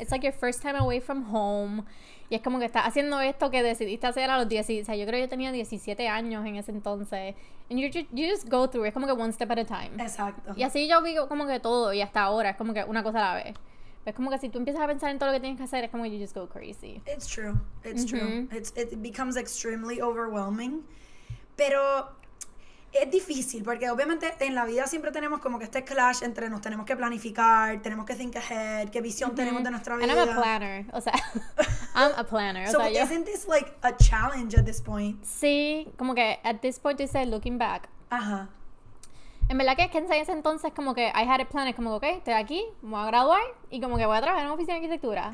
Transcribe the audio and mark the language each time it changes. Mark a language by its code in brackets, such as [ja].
[en] It's like your first time away from home. [es] Y es como que estás haciendo esto que decidiste hacer a los 17, o sea, yo creo que yo tenía 17 años en ese entonces. [en] And you just go through, [es] es como que [en] one step at a time. [es] Exacto. Y así yo vivo como que todo, y hasta ahora, es como que una cosa a la vez. Pero es como que si tú empiezas a pensar en todo lo que tienes que hacer, es como que [en] you just go crazy. It's true, it's true. It becomes extremely overwhelming. [es] Pero es difícil, porque obviamente en la vida siempre tenemos como que este clash entre nos tenemos que planificar, tenemos que [en] think ahead, [es] qué visión tenemos de nuestra vida. [en] And I'm a planner, [es] o sea... [en] I'm a planner. So [es] o sea, [en] isn't this like a challenge at this point? [es] Sí, como que [en] at this point you say looking back. [es] Ajá. En verdad que es que en ese entonces como que [en] I had a plan, [es] es como que okay, estoy aquí, me voy a graduar y como que voy a trabajar en una oficina de arquitectura.